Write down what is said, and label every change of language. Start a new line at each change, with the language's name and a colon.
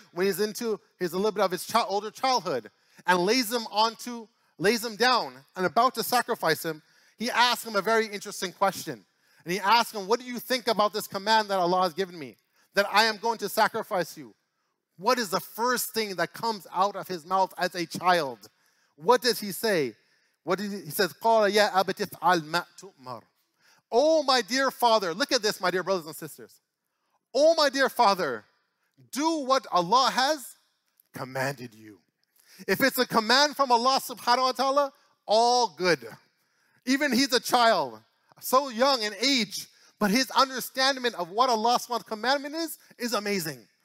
English: When he's into his a little bit of his older childhood and lays him down and about to sacrifice him, he asks him a very interesting question. And he asks him, what do you think about this command that Allah has given me? That I am going to sacrifice you. What is the first thing that comes out of his mouth as a child? What does he say? He says,
Arabic: قَالَ يَا أَبَتِفْ عَلْ مَا تُؤْمَرْ.
English: Oh, my dear father. Look at this, my dear brothers and sisters. Oh, my dear father. Do what Allah has commanded you. If it's a command from Allah subhanahu wa ta'ala, all good. Even he's a child, so young in age, but his understanding of what Allah's commandment is amazing.